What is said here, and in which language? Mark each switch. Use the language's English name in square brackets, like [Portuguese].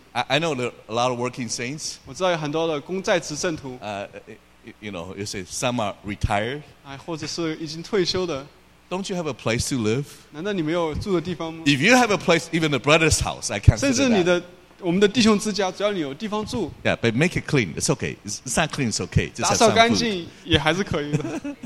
[English] I know there are a lot of working saints. [Chinese] 我知道有很多的公在职圣徒, [English] you know, you say some are retired. [Chinese] 或者是已经退休的, [English] don't you have a place to live? [Chinese] 难道你没有住的地方吗? [English] If you have a place, even a brother's house, I can't say that. [Chinese] 我们的弟兄之家, 只要你有地方住, [English] yeah, but make it clean. It's okay. It's not clean, it's okay. Just [Chinese] 打扫干净也还是可以的。